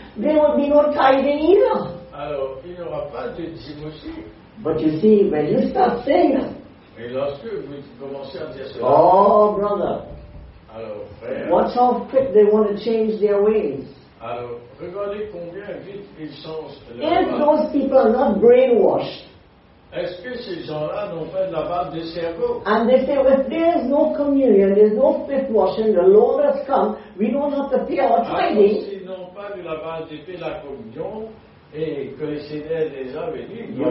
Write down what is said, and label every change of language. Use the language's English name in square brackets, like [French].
[English] there will be no tithing either. [French] Alors, il n'y aura pas de dîme aussi. [English] But you see, when you start saying that. [French] Mais lorsque vous commencez à dire cela. [English] Oh, brother. [French] Alors, frère. [English] Watch how quick they want to change their ways. [French] Alors, regardez combien vite ils changent leur [English] If part. Those people are not brainwashed. [French] Est-ce que ces gens-là n'ont pas de lavage de cerveau? [English] And they say, if there is no communion, there is no fifth washing, the Lord has come, we don't have to pay our tithing. [French] Alors, s'ils n'ont pas de lavage de pied, la communion, et que le Seigneur les a venus,